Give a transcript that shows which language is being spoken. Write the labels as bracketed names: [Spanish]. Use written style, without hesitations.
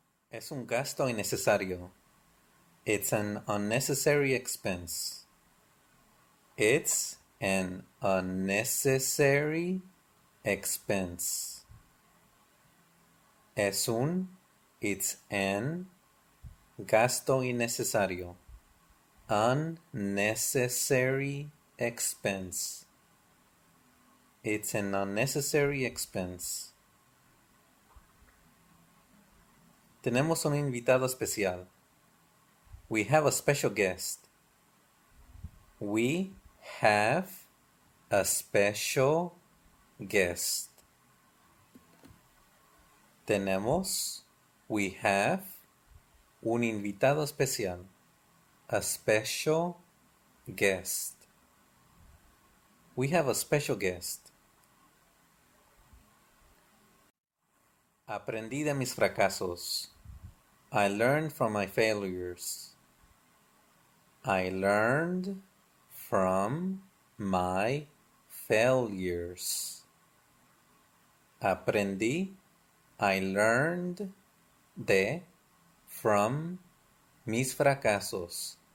[Spanish] Es un gasto innecesario. [English] It's an unnecessary expense. It's an unnecessary expense. [Spanish] Es un, [English] it's an, [Spanish] gasto innecesario. [English] Unnecessary expense. It's an unnecessary expense. [Spanish] Tenemos un invitado especial. [English] We have a special guest. We have a special guest. [Spanish] Tenemos, [English] we have, [Spanish] un invitado especial. [English] A special guest. We have a special guest. [Spanish] Aprendí de mis fracasos. [English] I learned from my failures. I learned from my failures. [Spanish] Aprendí, [English] I learned [Spanish] de, [English] from [Spanish] mis fracasos.